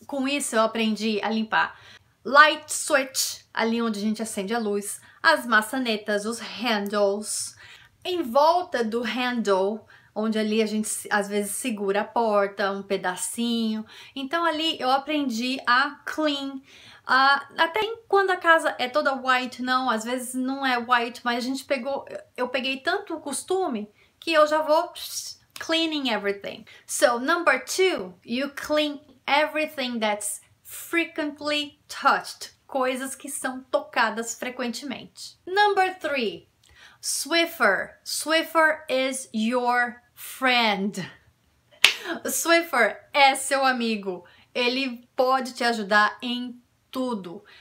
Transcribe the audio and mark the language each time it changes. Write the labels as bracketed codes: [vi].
[pt] Com isso, eu aprendi a limpar light switch, ali onde a gente acende a luz, as maçanetas, os handles, em volta do handle, onde ali a gente às vezes segura a porta, um pedacinho. Então ali eu aprendi a clean. Até quando a casa é toda white, não, às vezes não é white, mas a gente pegou, eu peguei tanto o costume que eu já vou [en] cleaning everything. So, number two, you clean everything that's frequently touched. [pt] Coisas que são tocadas frequentemente. [en] Number three. [pt] Swiffer. [en] Swiffer is your friend. [pt] Swiffer é seu amigo. Ele pode te ajudar em tudo.